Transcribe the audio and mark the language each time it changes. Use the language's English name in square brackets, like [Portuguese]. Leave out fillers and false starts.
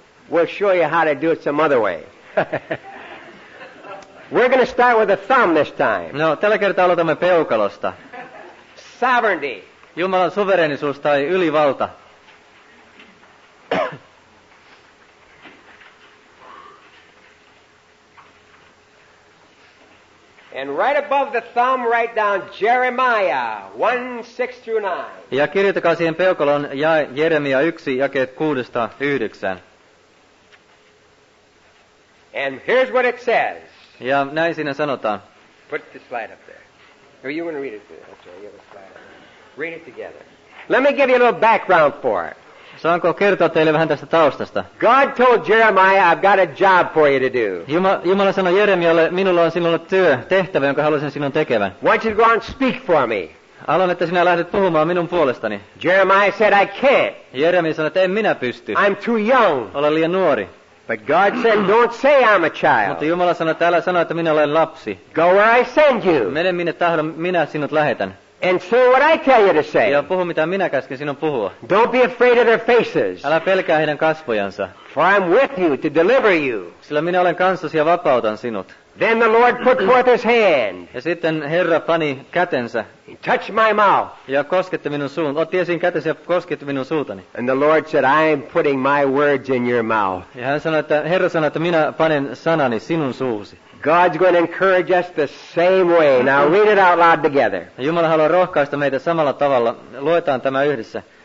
[English] We'll show you how to do it some other way. We're going to start with a thumb this time. [Finnish] No, tällä kertaa aloitamme peukalosta. [English] Sovereignty. [Finnish] Jumalan suvereenisuus tai ylivalta. [English] And right above the thumb, write down Jeremiah 1:6-9. [Finnish] Ja kirjoitakaa siihen peukalon Jeremia 1, jakeet 6-9. [English] And here's what it says. [Finnish] Ja näin siinä sanotaan. [English] Put the slide up there. Or you want to read it? Okay, you have a slide. Read it together. Let me give you a little background for it. [Finnish] Saanko kertoa teille vähän tästä taustasta? [English] God told Jeremiah, I've got a job for you to do. [Finnish] Jumala sanoi Jeremialle, minulla on sinulle työ, tehtävä, jonka haluaisin sinun tekevän. [English] Why don't you go and speak for me? [Finnish] Haluan, että sinä lähdet puhumaan minun puolestani. [English] Jeremiah said, I can't. [Finnish] Jeremia sanoi, että en minä pysty. [English] I'm too young. [Finnish] Olen liian nuori. [English] But God said, don't say I'm a child. [Finnish] Mutta Jumala sanoi, että älä sano, että minä olen lapsi. [English] Go where I send you. [Finnish] Mene minne tahdon, minä sinut lähetän. [English] And say what I tell you to say. [Finnish] Ja puhu mitä minä käsken sinun puhua. [English] Don't be afraid of their faces. [Finnish] Älä pelkää heidän kasvojansa. [English] For I'm with you to deliver you. [Finnish] Sillä minä olen kanssasi ja vapautan sinut. [English] Then the Lord put forth his hand. [Finnish] Ja sitten Herra pani kätensä. [English] He touched my mouth. [Finnish] Ja kosketti minun suun. Otti esiin kätensä ja kosketti minun suutani. [English] And the Lord said, I'm putting my words in your mouth. [Finnish] Ja hän sanoi, että Herra sanoi, että minä panen sanani sinun suusi. [English] God's going to encourage us the same way. Now read it out loud together. [Finnish] Jumala haluaa rohkaista meitä samalla tavalla. Luetaan tämä yhdessä.